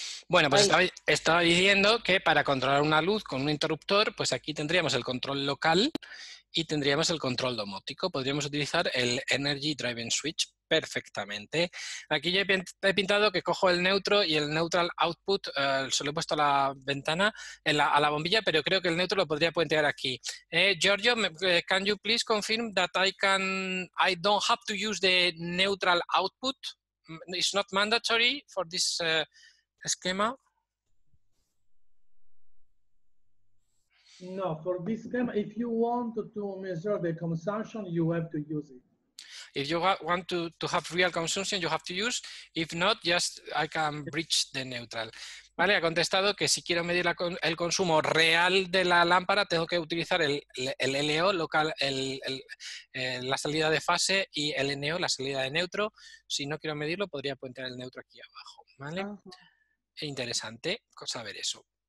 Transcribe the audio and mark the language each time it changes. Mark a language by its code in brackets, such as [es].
[es] Bueno, pues estaba diciendo que para controlar una luz con un interruptor, pues aquí tendríamos el control local y tendríamos el control domótico. Podríamos utilizar el Energy Driving Switch perfectamente. Aquí yo he pintado que cojo el neutro y el neutral output, solo he puesto a la ventana, a la bombilla, pero creo que el neutro lo podría puentear aquí. [en] Giorgio, can you please confirm that I don't have to use the neutral output? It's not mandatory for this schema? No, for this schema, if you want to measure the consumption, you have to use it. If you want to have real consumption, you have to use. If not, just I can bridge the neutral. [es] Vale, ha contestado que si quiero medir el consumo real de la lámpara, tengo que utilizar el LO, local, la salida de fase, y el NO, la salida de neutro. Si no quiero medirlo, podría poner el neutro aquí abajo. Vale. Uh-huh. Interesante saber eso.